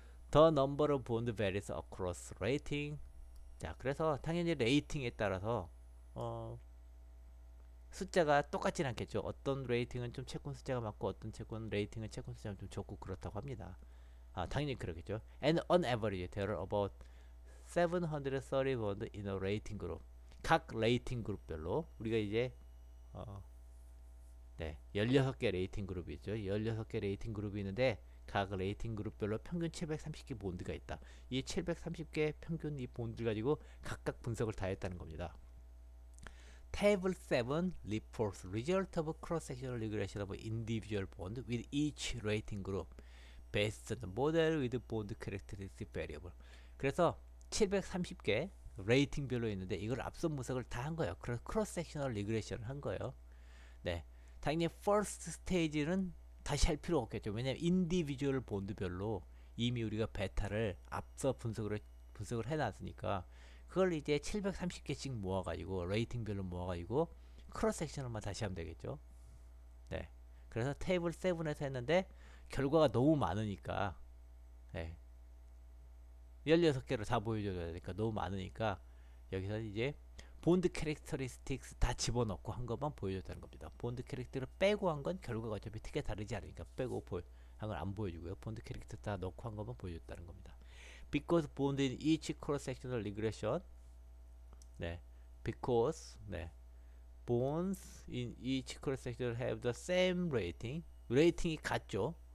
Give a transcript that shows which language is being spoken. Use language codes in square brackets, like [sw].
[en] The number of bond varies across rating. [ko] 자, 그래서 당연히 레이팅에 따라서 숫자가 똑같진 않겠죠. 어떤 레이팅은 좀 채권 숫자가 많고 어떤 채권 레이팅은 채권 숫자가 좀 적고 그렇다고 합니다. 아, 당연히 그러겠죠. [en] And on average, there are about 730 bond in a rating group. [ko] 각 레이팅 그룹별로 우리가 이제 16개 레이팅 그룹이 있죠. 16개 레이팅 그룹이 있는데, 각 레이팅 그룹별로 평균 730개 본드가 있다. 이 730개 평균 이 본드를 가지고 각각 분석을 다 했다는 겁니다. [en] Table 7 reports result of cross-sectional regression of individual bond with each rating group based on the model with bond characteristic variable. [ko] 그래서 730개 레이팅별로 있는데, 이걸 앞선 분석을 다한 거예요. 그래서 cross-sectional regression을 한 거예요. 네. 당연히 first stage는 다시 할 필요 없겠죠. 왜냐면 individual bond별로 이미 우리가 베타를 앞서 분석을 해놨으니까, 그걸 이제 730개씩 모아가지고 레이팅별로 모아가지고 크로스섹션을만 다시 하면 되겠죠. 네, 그래서 테이블 7에서 했는데 결과가 너무 많으니까, 네, 16개로 다 보여줘야 되니까, 너무 많으니까 여기서 이제 본드 캐릭터리스틱스 다 집어넣고 한 것만 보여줬다는 겁니다. 본드 캐릭터를 빼고 한건 결과가 어차피 크게 다르지 않으니까 빼고 한건안 보여주고요. 본드 캐릭터 다 넣고 한 것만 보여줬다는 겁니다. [en] Because bond in each cross-sectional regression, 네, because, 네, bonds in each cross-sectional have the same rating, [ko] rating이 같죠.